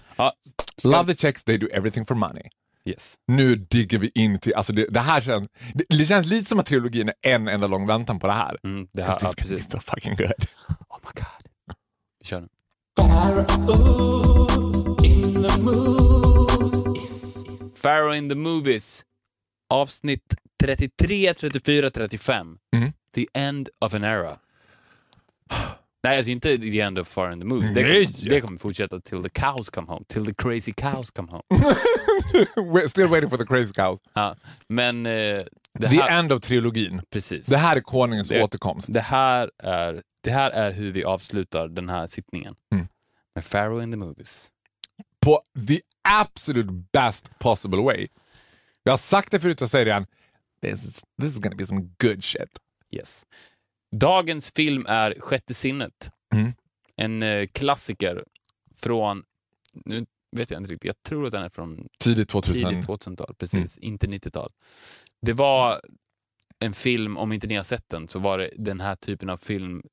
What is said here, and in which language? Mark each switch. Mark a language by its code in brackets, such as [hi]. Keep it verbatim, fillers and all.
[en] Ja, love the Czechs, they do everything for money. Yes. [sv] Nu digger vi in till, alltså det, det här känns det, det känns lite som att trilogin är en enda lång väntan på det här. Mm, det här är precis så [en] fucking good. Oh my god. [sv] Vi kör nu. Pharaoh in the Movies. Avsnitt trettiotre, trettiofyra, trettiofem. Mm. [en] The End of an Era. [sv] Nej, alltså inte [en] The End of Pharaoh in the Movies. [sv] Nej. Det, det kommer fortsätta till [en] the cows come home. [sv] Till [en] the crazy cows come home. We're still waiting for the crazy cows. [sv] Ja, men eh, det här, [en] the end of [sv] trilogin. Precis. Det här är konungens det, återkomst. Det här är det här är hur vi avslutar den här sittningen. Mm. Med Pharaoh in the Movies. På [en] the absolute best possible way. [sv] Jag har sagt det förut och säger det igen. [en] This is, this is gonna be some good shit. Yes. [sv] Dagens film är Sjätte sinnet. Mm. En eh, klassiker från nu vet jag inte riktigt. Jag tror att den är från tidigt tvåtusen. Tidigt tvåtusen-tal, precis. Mm. Inte nittio-tal. Det var en film, om inte ni har sett den, så var det den här typen av film.